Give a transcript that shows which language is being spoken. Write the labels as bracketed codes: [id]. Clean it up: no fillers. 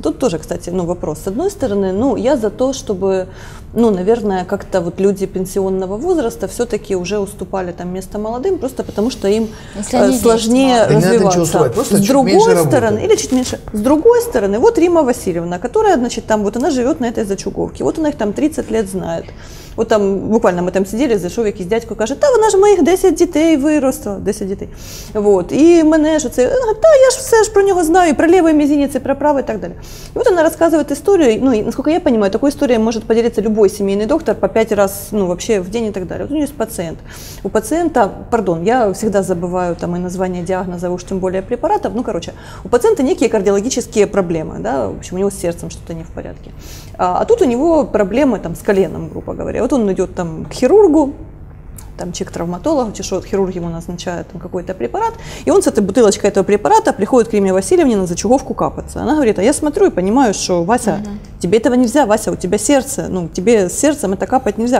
[ru] Тут тоже, кстати, ну, вопрос. С одной стороны, ну, я за то, чтобы, ну, наверное, как-то вот люди пенсионного возраста все-таки уже уступали там место молодым, просто потому что им сложнее развиваться. С другой стороны, или чуть меньше, с другой стороны, вот Римма Васильевна, которая, значит, там, вот она живет на этой Зачуговке, вот она их там 30 лет знает. Вот там, буквально мы там сидели, зашел [uk] якийсь дядько, каже, та вона ж моїх 10 дітей виросла, 10 дітей. Вот, і мене ж оце, та я ж все ж про нього знаю, і про лівий мізінець, і про правий, і так далі. І от вона розказує історію, ну, і, наскільки я розумію, такою історією може поділитися любой сімейний доктор по 5 разів, ну, взагалі, в день і так далі. От у нього є пацієнт. У пацієнта, пардон, я завжди забуваю там і названня діагнозу, уж тим більше препаратів, ну, короче, у пацієнта некі кардіологічні проблеми, да, [ru] в общем, [uk] у нього з серцем щось не в порядку. А тут у нього проблеми там з коленом, [ru] грубо говоря. Вот он идет там к хирургу, там чек травматологу, чешу, вот хирург ему назначает там, какой-то препарат, и он с этой бутылочкой этого препарата приходит к Римме Васильевне на Зачуговку капаться. Она говорит, а я смотрю и понимаю, что Вася, тебе этого нельзя, Вася, у тебя сердце, ну тебе с сердцем это капать нельзя.